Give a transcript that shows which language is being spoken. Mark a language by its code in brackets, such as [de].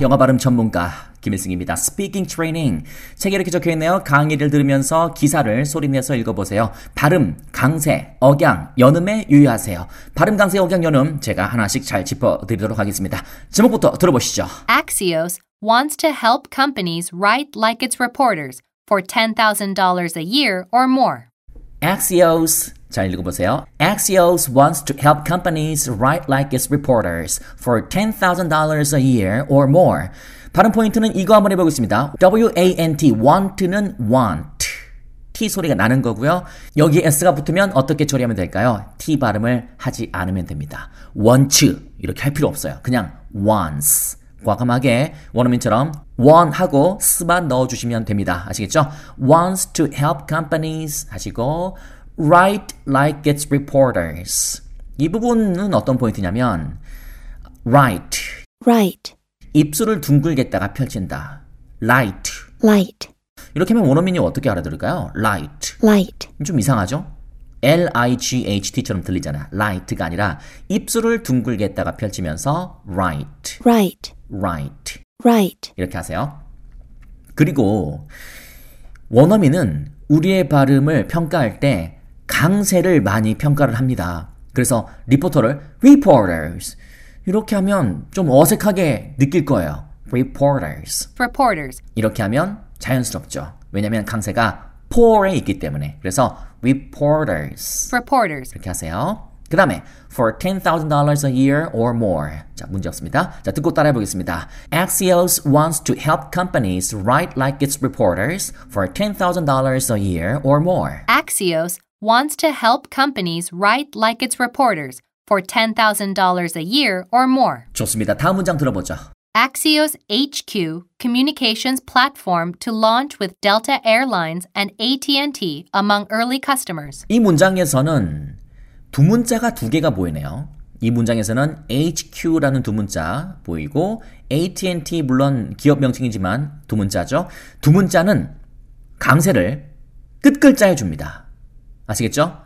[ko] 영어 발음 전문가 김일승입니다. [en] Speaking Training. [ko] 책에 이렇게 적혀있네요. 강의를 들으면서 기사를 소리내서 읽어보세요. 발음, 강세, 억양, 연음에 유의하세요. 발음, 강세, 억양, 연음 제가 하나씩 잘 짚어드리도록 하겠습니다. 제목부터 들어보시죠. [en] Axios wants to help companies write like its reporters for $10,000 a year or more. [ko] Axios. 잘 읽어보세요. [en] Axios wants to help companies write like its reporters for $10,000 a year or more. [ko] 발음 포인트는 이거 한번 해보겠습니다. W-A-N-T, want는 want. T 소리가 나는 거고요. 여기 S가 붙으면 어떻게 처리하면 될까요? T 발음을 하지 않으면 됩니다. Want, 이렇게 할 필요 없어요. 그냥 wants. 과감하게 원어민처럼 want 하고 s만 넣어주시면 됩니다. 아시겠죠? [en] Wants to help companies [ko] 하시고 [en] write like its reporters. [ko] 이 부분은 어떤 포인트냐면 write. [en] write. [ko] 입술을 둥글게다가 펼친다. [en] light. light. [ko] 이렇게 하면 원어민이 어떻게 알아들을까요? [en] light. light. [ko] 좀 이상하죠? L-I-G-H-T처럼 들리잖아. light가 아니라 입술을 둥글게다가 펼치면서 write. [en] write. write. write. [ko] 이렇게 하세요. 그리고 원어민은 우리의 발음을 평가할 때 강세를 많이 평가를 합니다. 그래서 리포터를 reporters 이렇게 하면 좀 어색하게 느낄 거예요. [en] reporters. reporters. [ko] 이렇게 하면 자연스럽죠. 왜냐면 강세가 for에 있기 때문에. 그래서 reporters. [en] reporters. [ko] 이렇게 하세요. 그 다음에 [en] for $10,000 a year or more. [ko] 자, 문제 없습니다. 자, 듣고 따라해 보겠습니다. [en] Axios wants to help companies write like its reporters for $10,000 a year or more. Axios wants to help companies write like its reporters for $10,000 a year or more. [ko] 좋습니다. 다음 문장 들어보죠. [en] Axios HQ communications platform to launch with Delta Airlines and AT&T among early customers. [ko] 이 문장에서는 두 문자가 두 개가 보이네요. 이 문장에서는 HQ라는 두 문자 보이고 AT&T 물론 기업 명칭이지만 두 문자죠. 두 문자는 강세를 끝 글자에 줍니다. 아시겠죠?